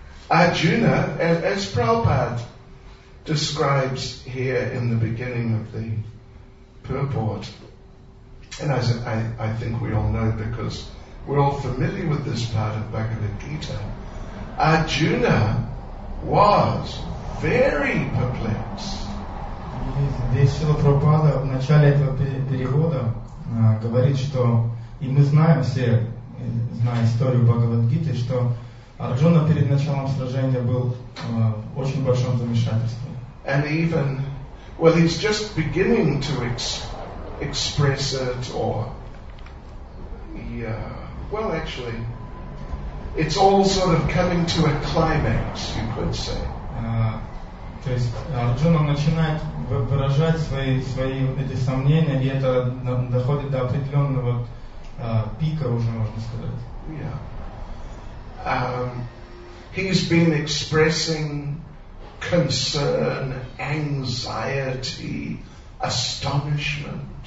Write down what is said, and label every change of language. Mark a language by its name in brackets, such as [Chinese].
[English] Arjuna, as Prabhupada describes here in the beginning of the purport, and as I think we all know because we're all familiar with this part of Bhagavad Gita, Arjuna was very perplexed. [Russian] Здесь Шрила Прабхупада в начале этого перевода говорит, что и мы знаем все, зная историю Бхагавад-гиты, что Арджуна перед началом сражения был в очень большом замешательстве. [English] And even, well, he's just beginning to express it, or, yeah, well, actually, it's all sort of coming to a climax, you could say. [Russian] То есть Арджуна начинает выражать свои эти сомнения, и это доходит до определенного пика уже, можно сказать. [English] Yeah. He's been expressing concern, anxiety, astonishment.